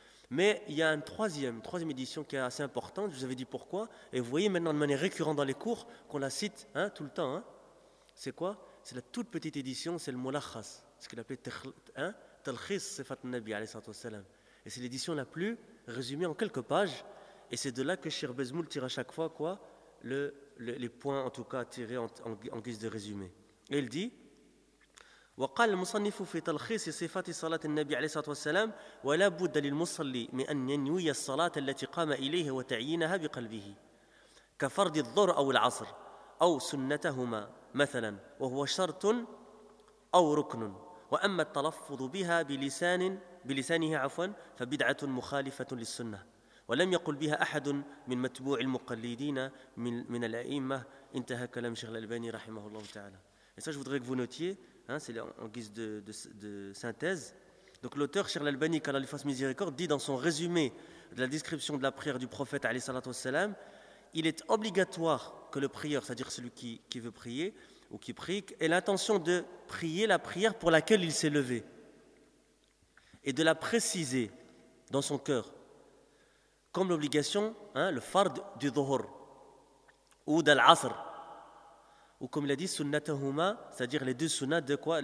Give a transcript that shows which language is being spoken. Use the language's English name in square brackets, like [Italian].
[French] Mais il y a une troisième édition qui est assez importante, je vous avais dit pourquoi, et vous voyez maintenant de manière récurrente dans les cours qu'on la cite tout le temps. Hein? C'est quoi? C'est la toute petite édition, c'est le Moulakhas, ce qu'il appelait Talkhis Sifat Nabi, alayhi salatu wassalam. Et c'est l'édition la plus résumée en quelques pages. Et c'est de là que Cheikh Bezmoul tire à chaque fois quoi, les points en tout cas tirés en guise de résumé. Et il dit [Arabic] وقال المصنف في تلخيص صفات صلاة النبي عليه الصلاة والسلام ولا بد للمصلي من أن ينوي الصلاة التي قام إليها وتعيينها بقلبه كفرض الظهر أو العصر أو سنتهما مثلا وهو شرط أو ركن وأما التلفظ بها بلسانه فبدعة مخالفة للسنة ولم يقل بها أحد من متبوع المقلدين من الأئمة انتهى كلام شيخ الألباني رحمه الله تعالى. [French] Et ça, je voudrais que vous notiez, hein, c'est en guise de synthèse. Donc l'auteur, Cheikh Al-Albani, qu'Allah lui fasse miséricorde, dit dans son résumé de la description de la prière du prophète, alayhi salatu wassalam, il est obligatoire que le prieur, c'est-à-dire celui qui veut prier ou qui prie, ait l'intention de prier la prière pour laquelle il s'est levé et de la préciser dans son cœur, comme l'obligation, le fard du dhuhr ou d'al-asr, ou comme il a dit, sunnatahuma, c'est-à-dire les deux sunnats de quoi?